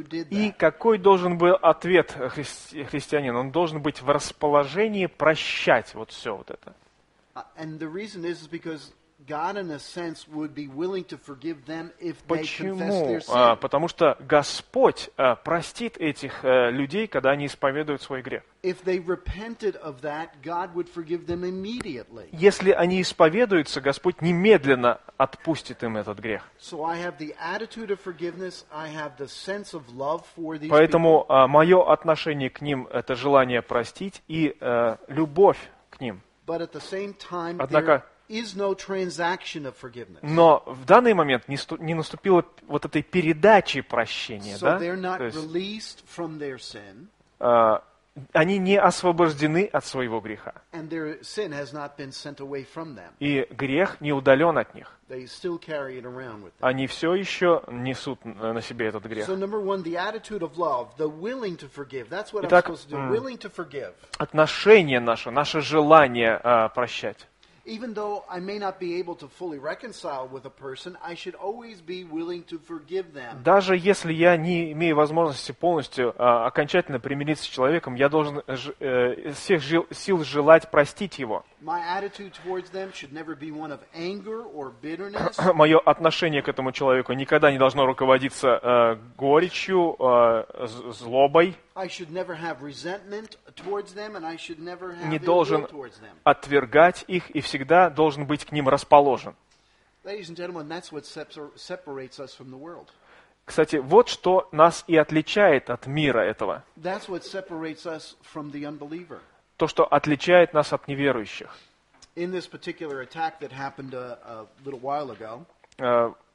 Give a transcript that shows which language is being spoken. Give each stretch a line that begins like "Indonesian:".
Russian: И какой должен был ответ христианин? Он должен быть в расположении прощать вот все вот это.
English: And the reason is because God, in a sense, would be willing to forgive them if they confess their sin.
Russian: Потому что Господь простит этих людей, когда они исповедуют свой грех.
English: If they repented of that, God would forgive them immediately.
Russian: Если они исповедуются, Господь немедленно отпустит им этот грех.
English: So I have the attitude of forgiveness. I have the sense of love for these.
Russian: Поэтому мое отношение к ним это желание простить и любовь к ним.
English: But at the same time, однако is no transaction of forgiveness.
Russian: Но в данный момент не наступило вот этой передачи прощения,
English: so
Russian: да?
English: They're not released from their sin.
Russian: они не освобождены от своего греха.
English: And their sin has not been sent away from them.
Russian: И грех не удален от них.
English: They still carry it around with them.
Russian: Они все еще несут на себе этот грех.
English: So number one, the attitude of love, the willing to forgive. That's what I'm supposed to do. Willing to forgive.
Russian: Отношение наше, наше желание прощать.
English: Even though I may not be able to fully reconcile with a person, I should always be willing to forgive them.
Russian: Даже если я не имею возможности полностью окончательно примириться с человеком, я должен всех сил желать простить его.
English: My attitude towards them should never be one of anger or bitterness.
Russian: Мое отношение к этому человеку никогда не должно руководиться горечью, злобой.
English: I should never have resentment towards them, and I should never have
Russian: не должен отвергать их и всегда должен быть к ним расположен.
English: Ladies and gentlemen, that's what separates us from the world.
Russian: Кстати, вот что нас и отличает от мира этого.
English: That's what separates us from the unbeliever.
Russian: То, что отличает нас от неверующих.
English: In this particular attack that happened a little while ago.